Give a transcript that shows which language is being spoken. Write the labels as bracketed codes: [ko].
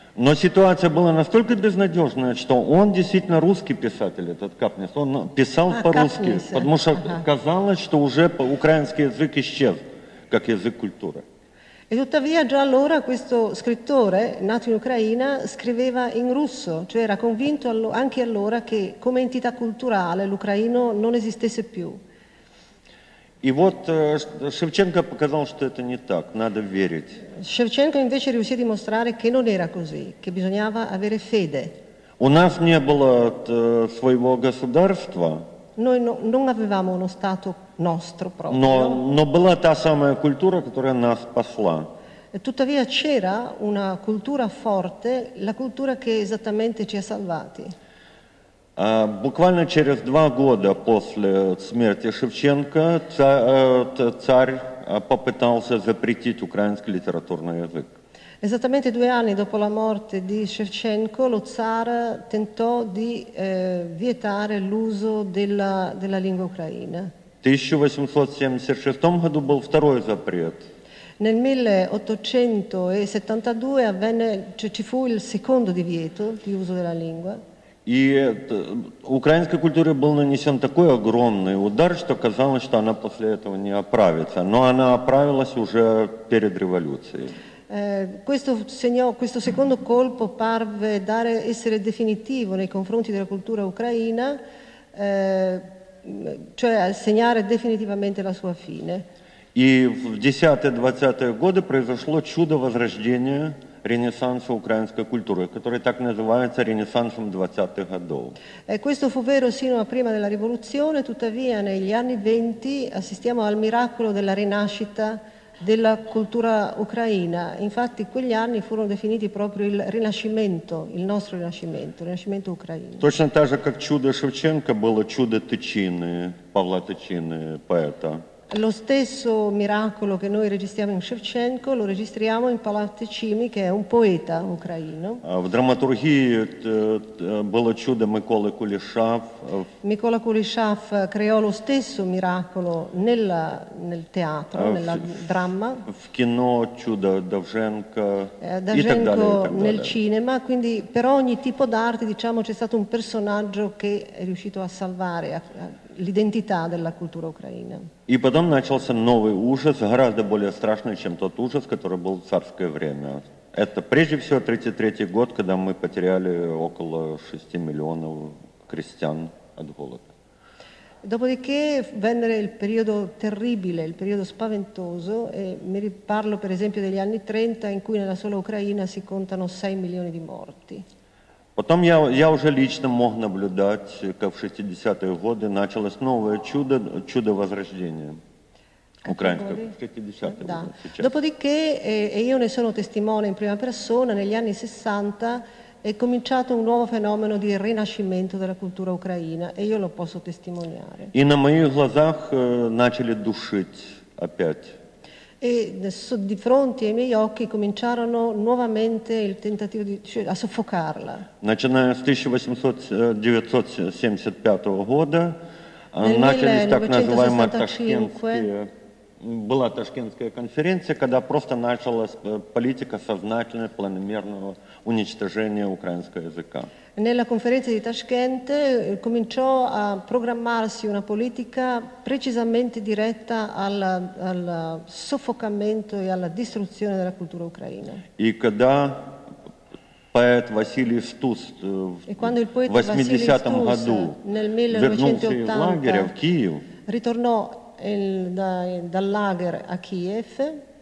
[ru] Но ситуация была настолько безнадежная, что он действительно русский писатель, этот Капнис. Он писал по-русски, Капнис. Потому что казалось, что уже украинский язык исчез, как язык культуры. [it] E tuttavia già allora questo scrittore, nato in Ucraina, scriveva in russo, cioè era convinto anche allora che come entità culturale l'ucraino non esistesse più. [ru] И вот Шевченко показал, что это не так, надо верить. [it] Шевченко invece riuscì a dimostrare che non era così, che bisognava avere fede. [ru] У нас не было своего государства. [it] Noi non avevamo uno stato nostro proprio. [ru] Но была та самая культура, которая нас спасла. [it] Tuttavia c'era una cultura forte, la cultura che esattamente ci ha salvati. [ru] Буквально через два года после смерти Шевченко царь попытался запретить украинский литературный язык. [it] Esattamente due anni dopo la morte di Shevchenko, lo zar tentò di vietare l'uso della lingua ucraina. [ru] 1876 году был второй запрет. [it] Nel 1872 ci fu il secondo divieto di uso della lingua. [ru] И украинской культуре был нанесен такой огромный удар, что казалось, что она после этого не оправится. Но она оправилась уже перед революцией. [it] Questo secondo colpo parve essere definitivo nei confronti della cultura ucraina, cioè segnare definitivamente la sua fine. [ru] И в 10-20-е годы произошло чудо возрождения Ренессанса украинской культуры, который так называется Ренессансом 20-х годов. [it] Questo fu vero sino a prima della rivoluzione, tuttavia negli anni 20 assistiamo al miracolo della rinascita della cultura ucraina. Infatti quegli anni furono definiti proprio il rinascimento, il nostro rinascimento, il rinascimento ucraino. [ru] Точно так же, как чудо Шевченко было чудо Тычины, Павла Тычины, поэта. [it] Lo stesso miracolo che noi registriamo in Шевченко lo registriamo in Павла Тычины, che è un poeta ucraino. [ru] В драматургии было чудо Миколи Куліша. [it] Микола Кулішав creò lo stesso miracolo nel teatro, nella dramma. [ru] В кино чудо Довженко. [it] Довженко nel cinema, quindi per ogni tipo d'arte diciamo c'è stato un personaggio che è riuscito a salvare l'identità della cultura ucraina. [ru] И потом начался новый ужас, гораздо более страшный, чем тот ужас, который был в царское время. Это прежде всего 1933 год, когда мы потеряли около 6 миллионов крестьян от голода. [it] Dopodiché venne il periodo terribile, il periodo spaventoso, e mi riparlo per esempio degli anni 30, in cui nella sola Ucraina si contano 6 milioni di morti. [ru] Потом я уже лично мог наблюдать, как в 60-е годы началось новое чудо возрождения украинского. Да. [it] Dopodiché, e io ne sono testimone in prima persona, negli anni 60 è cominciato un nuovo fenomeno di rinascimento della cultura ucraina, e io lo posso testimoniare. [ru] И на моих глазах начали душить опять. [it] E di fronte ai miei occhi cominciarono nuovamente il tentativo a soffocarla. [ru] Начиная с 1975 года начались так называемые ташкентские. Была ташкентская конференция, когда просто началась политика сознательного, планомерного уничтожения украинского языка. [it] Nella conferenza di Tashkent cominciò a programmarsi una politica precisamente diretta al soffocamento e alla distruzione della cultura ucraina. [ru] И когда поэт Василий Стус в 80-м году вернулся из лагеря в Киев, [it] ritornò dal lager a Kiev,